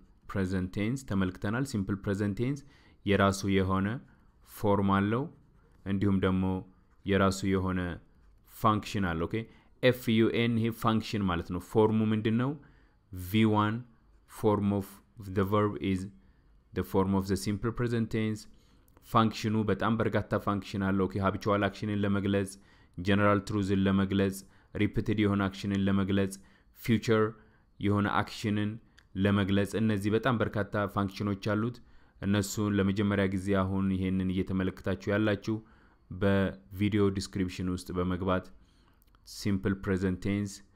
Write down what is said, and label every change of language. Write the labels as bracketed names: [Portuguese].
[Amharic] present tense ተመልክተናል። simple present tense የራሱ የሆነ form አለው እንዲሁም ደግሞ የራሱ የሆነ functional okay FUN ይሄ function ማለት ነው። ፎርሙ ምንድነው? [English] v1 form of the verb is the form of the simple present tense. [Amharic] functionu በጣም በርካታ functional okay habitual actionን ለመግለጽ general truthን ለመግለጽ repeated የሆነ actionን ለመግለጽ future የሆነ actionን ለመግለጽ እነዚህ በጣም በርካታ functionዎች አሉት። እነሱን ለመጀመሪያ ጊዜ አሁን ይሄንን እየተመለከታችሁ ያላችሁ በቪዲዮ ዲስክሪፕሽን ውስጥ በመግባት simple present tense